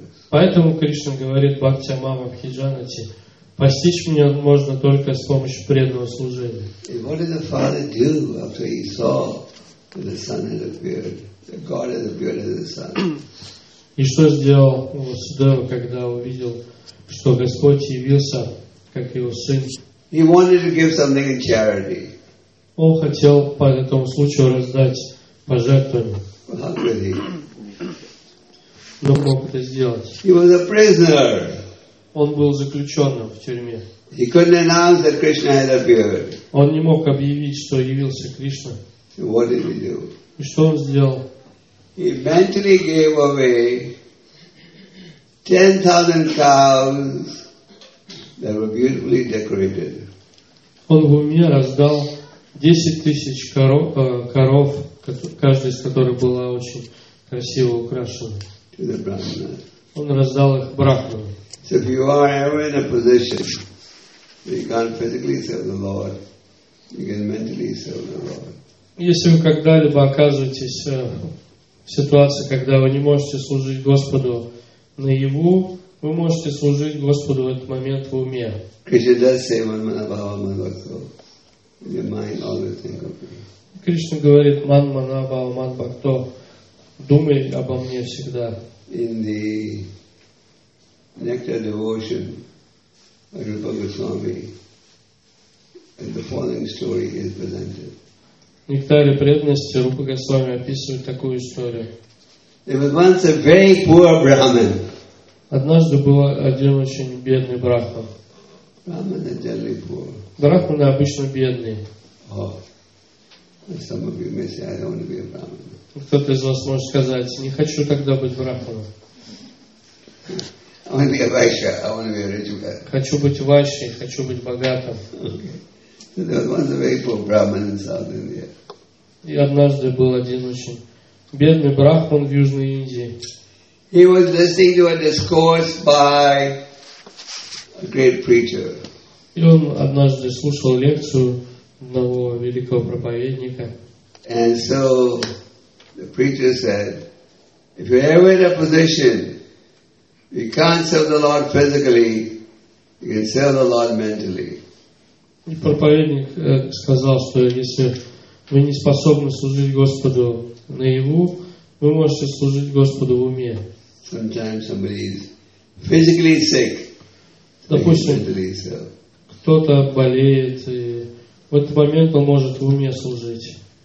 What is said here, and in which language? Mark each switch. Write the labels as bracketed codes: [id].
[ru] Поэтому Кришна говорит Бхакти Мама Бхиджанати, постичь меня можно только с помощью преданного служения. [en] И what did the father do after he saw that the son had appeared, that God had appeared as the son? [ru] И что сделал Васудева, когда увидел, что Господь явился как его сын? [en] He wanted to give something in charity. [ru] Он хотел по этому случаю раздать пожертвование. [en] But how could he? [ru] Но мог это сделать. [en] He was a prisoner. [ru] Он был заключенным в тюрьме. [en] He couldn't announce that Krishna had appeared. [ru] Он не мог объявить, что явился Кришна. [en] So what did he do? [ru] И что он сделал? [en] He mentally gave away 10,000 cows that were beautifully decorated. [ru] Он в уме раздал 10,000 коров, каждая из которых была очень красиво украшена. Он раздал их брахману. [en] So if you are ever in a position that you can't physically serve the Lord, you can mentally serve the Lord. [ru] Если вы когда-либо оказываетесь в ситуации, когда вы не можете служить Господу наяву, вы можете служить Господу в этот момент в уме. [en] Krishna does say, [sa] "Man manabhava manbhakto." [en] In your mind, always think of me. [ru] Кришна говорит, [sa] "Man manabhava manbhakto." [ru] Думай обо мне всегда. [en] In the nectar devotion of Rupa Goswami, and the following story is presented. [ru] В нектаре преданности Рупа Госвами описывает такую историю. [en] There was once a very poor Brahmin. [ru] Однажды был один очень бедный брахман. [en] Brahmin is generally poor. [ru] Брахманы обычно бедные. Oh. [en] Some of you may say, I don't want to be a Brahmin. [ru] Кто-то из вас может сказать, не хочу тогда быть брахманом. [en] I want to be a Vaishya, I want to be a rich guy. [ru] Хочу быть Вайшей, хочу быть богатым. [en] Okay. There was a very poor Brahmin in South India. [ru] И однажды был один очень бедный брахман в Южной Индии. [en] He was listening to a discourse by a great preacher. [ru] И он однажды слушал лекцию одного великого проповедника. [en] And so the preacher said, if you're ever in a position, you can't serve the Lord physically, you can serve the Lord mentally. [ru] И проповедник сказал, что если вы не способны служить Господу наяву, вы можете служить Господу в уме. [en] Sometimes somebody is physically sick. [ru] Допустим, кто-то болеет, и в этот момент он может в уме служить.